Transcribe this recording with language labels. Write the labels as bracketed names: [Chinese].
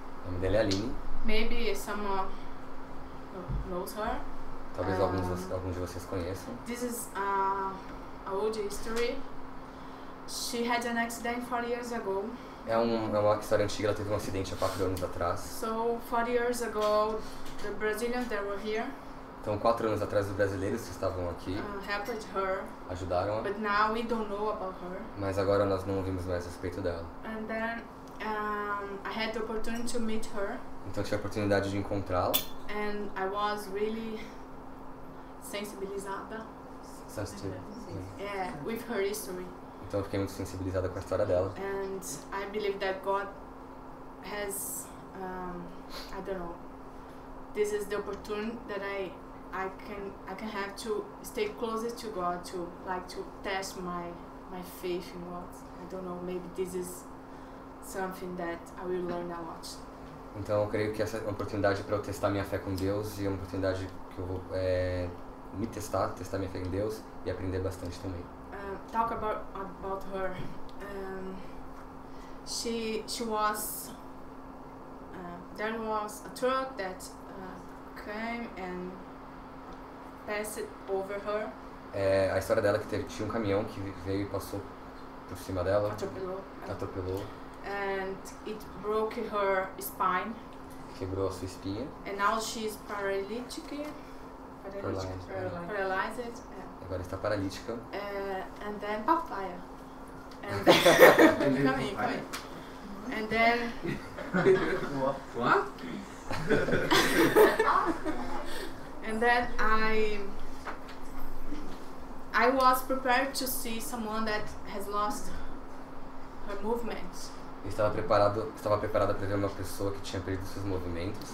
[Portuguese] O nome dela é Aline. [English] Maybe someone knows her. [Portuguese] Talvez alguns de vocês conheçam. [English] This is a old history. She had an accident 4 years ago. [Portuguese] É uma história antiga, ela teve um acidente há 4 anos atrás. [English] So 4 years ago, the Brazilians that were here. [Portuguese] Então, 4 anos atrás, os brasileiros que estavam aqui [English] helped her, [Portuguese] ajudaram [English] ela. But now we don't know about her. [Portuguese] Mas agora nós não ouvimos mais a respeito dela. [English] And then, I had the opportunity to meet her. [Portuguese] Então, tive a oportunidade de encontrá-la. [English] And I was really sensibilizada. Sensitive. Yeah, with her history. [Portuguese] Então, eu fiquei muito sensibilizada com a história dela. [English] And I believe that God has, I don't know. This is the opportunity that I can have to stay closer to God, to like to test my faith in God. I don't know, maybe this is something that I will learn a lot. [Portuguese] Então eu creio que essa é uma oportunidade para eu testar minha fé com Deus e uma oportunidade que eu vou me testar minha fé em Deus e aprender bastante também. [English] Talk about her. She was there was a truck that came and passed over her. [Portuguese] É, a história dela é que tinha um caminhão que veio e passou por cima dela. Atropelou. [English] And it broke her spine. [Portuguese] Quebrou a sua espinha. [English] And now she's paralytic. Paralyzed. Yeah. [Portuguese] Agora está paralítica. [English] And then pop fire. And then coming. And then what? And then I was prepared to see someone that has lost her movement. [Portuguese] Estava preparada para ver uma pessoa que tinha perdido seus movimentos.